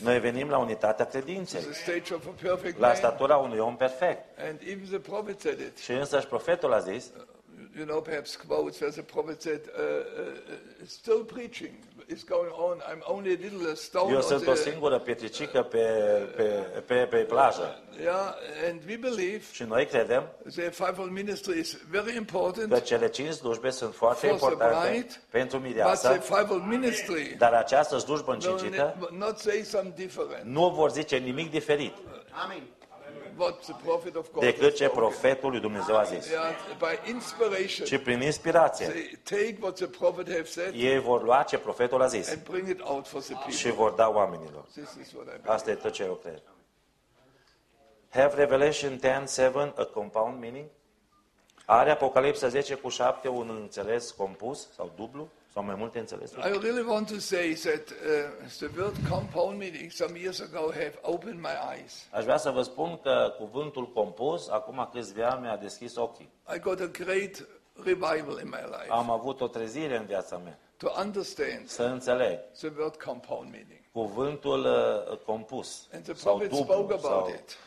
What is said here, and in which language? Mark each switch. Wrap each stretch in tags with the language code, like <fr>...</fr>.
<ro>noi venim la unitatea credinței,</ro> <en>to the stage of a perfect</en> <ro>la statura unui om perfect.</ro> <en>And even the prophet said it.</en> <ro>Și însăși profetul a zis,</ro> <en>you know, perhaps quotes where the prophet said, still preaching is going on. I'm only a little stone.</en> <ro>Eu sunt o singură pietricică pe plajă.</ro> <en>Yeah, and we believe.</en> <ro>Și noi credem.</ro> <en>The fivefold ministry is very important.</en> <ro>Că cele cinci slujbe sunt foarte importante pentru mireasă.</ro> <en>But the fivefold ministry.</en> <ro>Dar această slujbă încincită.</ro> <en>Not say some different.</en> <ro>Nu vor zice nimic diferit.</ro> <en>Amen. What the prophet of God.</en> <ro>Decât ce profetul lui Dumnezeu a zis.</ro> <en>By inspiration.</en> <ro>Și prin inspirație.</ro> <en>Take what the prophet have said.</en> <ro>Ei vor lua ce profetul a zis.</ro> <en>And bring it out for the people.</en> <ro>Și vor da oamenilor. Asta e tot ce eu cred.</ro> <en>Have Revelation 10:7 a compound meaning?</en> <ro>Are Apocalipsa 10:7 un înțeles compus sau dublu? Sau mai multe înțelesuri?</ro> <en>I really want to say that the word compound meaning some years ago have opened my eyes.</en> <ro>Aș vrea să vă spun că cuvântul compus acum câțiva ani mi-a deschis ochii.</ro> <en>I got a great revival in my life.</en> <ro>Am avut o trezire în viața mea.</ro> <en>To understand.</en> <ro>Să înțeleg.</ro> <en>The word compound meaning.</en> <ro>Cuvântul compus.</ro> <en>And the prophet spoke about it.</en>